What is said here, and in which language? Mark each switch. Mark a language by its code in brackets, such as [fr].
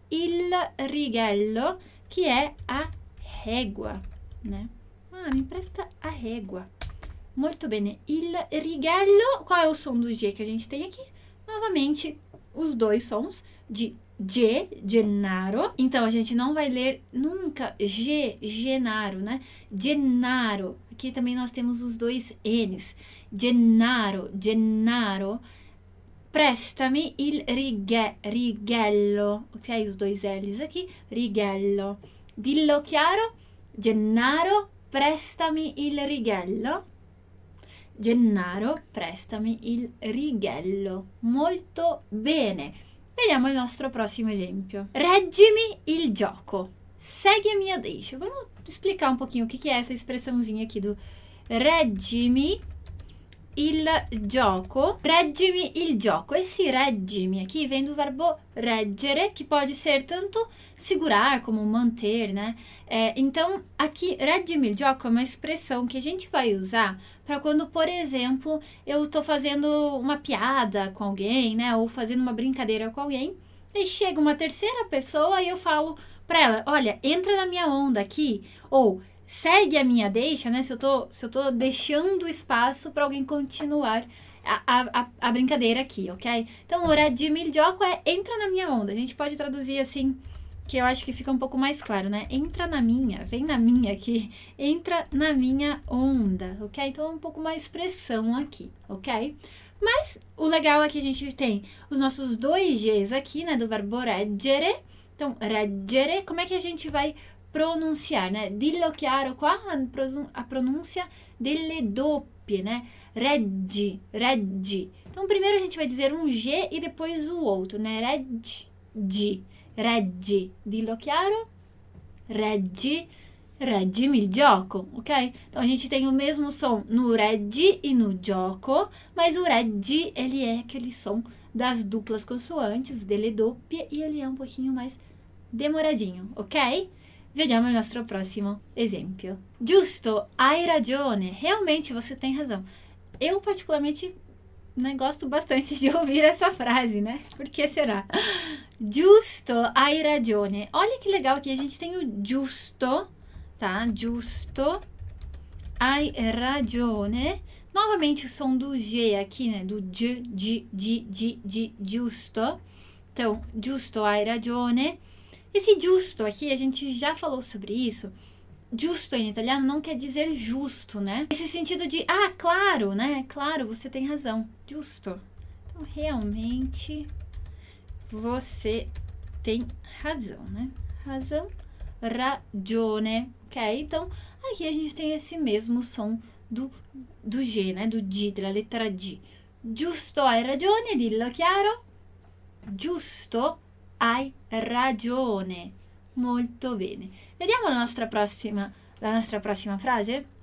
[it] Il righello, che è a regua, né? [pt] Ah, mi presta a regua. [it] Ok? Molto bene. [pt] Il righello, qual è il son do G che a gente tem aqui? Novamente, os dois sons de G, Gennaro. Então, a gente não vai ler nunca G, Gennaro, né? Gennaro. Aqui também nós temos os dois N's. [it] Gennaro, Gennaro. Prestami il righello. [pt] Ok, os dois L's aqui. Righello. [it] Dillo chiaro. Gennaro, prestami il righello. Gennaro, prestami il righello. Molto bene. Vediamo il nostro prossimo esempio. Reggimi il gioco. Seguimi adesso. [pt] Vamo explicar [it] un pochino che è questa [pt] espressãozinha aqui do [it] reggimi il gioco. Reggimi il gioco. [pt] E esse reggimi aqui vem do verbo reggere, che pode ser tanto segurar como manter, né? Então, aqui, reggimi il gioco è uma expressão que a gente vai usar para quando, por exemplo, eu estou fazendo uma piada com alguém, né? Ou fazendo uma brincadeira com alguém, e chega uma terceira pessoa e eu falo para ela: olha, entra na minha onda aqui, ou segue a minha deixa, né? Se eu tô deixando espaço para alguém continuar a brincadeira aqui, ok? Então, o reggimi il gioco é entra na minha onda. A gente pode traduzir assim, que eu acho que fica um pouco mais claro, né? Entra na minha, vem na minha aqui, entra na minha onda, ok? Então é um pouco mais expressão aqui, ok? Mas o legal é que a gente tem os nossos dois Gs aqui, né? Do verbo reggere. Então, reggere, como é que a gente vai pronunciar, né? [it] Dillo chiaro qua [pt] a pronúncia [it] delle doppie, né? Reggi, reggi. [pt] Então, primeiro a gente vai dizer um G e depois o outro, né? [it] Reggi, reggi. Dillo chiaro, reggi, reggimi il gioco, ok? [pt] Então, a gente tem o mesmo som no reggi e no gioco, mas o reggi, ele é aquele som das duplas consoantes, delle doppie, e ele é um pouquinho mais demoradinho, ok? [it] Vediamo il nostro prossimo esempio. Giusto, hai ragione. [pt] Realmente você tem razão. Eu, particularmente, né, gosto bastante de ouvir essa frase, né? Por que será? [it] Giusto, hai ragione. [pt] Olha que legal aqui, a gente tem o giusto, tá? Giusto, hai ragione. Novamente o som do G aqui, né? Do G, G, giusto. Então, [it] giusto, hai ragione. [pt] Esse giusto aqui, a gente já falou sobre isso. Giusto em italiano não quer dizer justo, né? Esse sentido de, ah, claro, né? Claro, você tem razão. Giusto. Então, realmente, você tem razão, né? Razão, ragione, ok? Então, aqui a gente tem esse mesmo som do G, né? Do G, da letra G. [it] Giusto hai ragione, dillo chiaro. Giusto. Hai ragione. Molto bene. Vediamo la nostra prossima frase.